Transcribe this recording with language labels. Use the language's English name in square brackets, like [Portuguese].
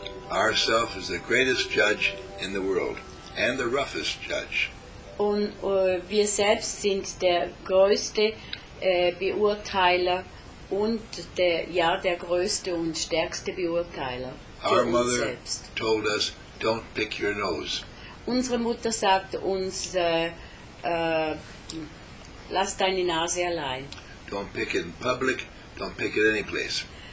[English] Ourself is the greatest judge in the world and the roughest judge. [German] Und wir selbst sind der größte Beurteiler. Und der größte und stärkste Beurteiler. [English] Our mother told us, don't pick your nose. [German] Unsere Mutter sagt uns, lass deine Nase allein. [English] Don't pick it in public, don't pick it any place.